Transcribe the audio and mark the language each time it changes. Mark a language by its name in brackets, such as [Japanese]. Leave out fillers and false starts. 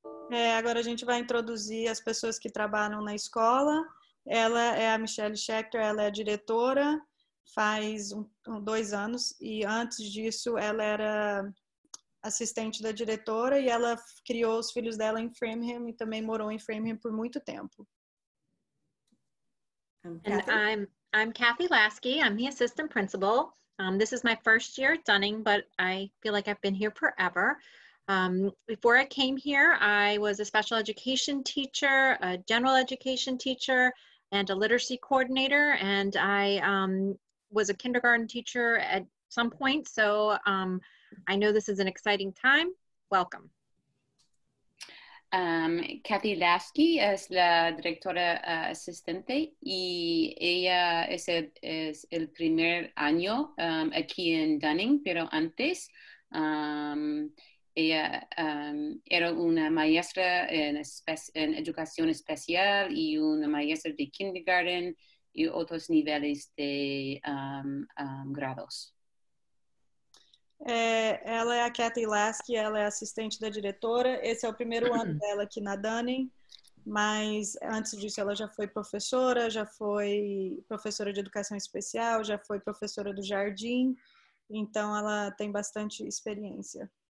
[Portuguese] Agora a gente vai introduzir as pessoas que trabalham na escola. Ela é a Michelle Schechter, ela é a diretora, faz 2 anos, e antes disso ela era assistente da diretora e ela criou os filhos dela em Framingham e também morou em Framingham por muito tempo. [English] And I'm Kathy Lasky, I'm the assistant principal. This is my first year at Dunning, but I feel like I've been here forever. Before I came here, I was a special education teacher, a general education teacher, and a literacy coordinator, and I was a kindergarten teacher at some point, so I know this is an exciting time. Welcome. [Spanish] Kathy Lasky es la directora asistente, y ella es el primer año aquí en Dunning, pero antes ella era una maestra en educación especial y una maestra de kindergarten y otros niveles de grados. [Portuguese] Ela é a Kathy Lasky, ela é assistente da diretora. Esse é o primeiro ano dela aqui na Dunning, mas antes disso ela já foi professora de educação especial, já foi professora do jardim, então ela tem bastante experiência.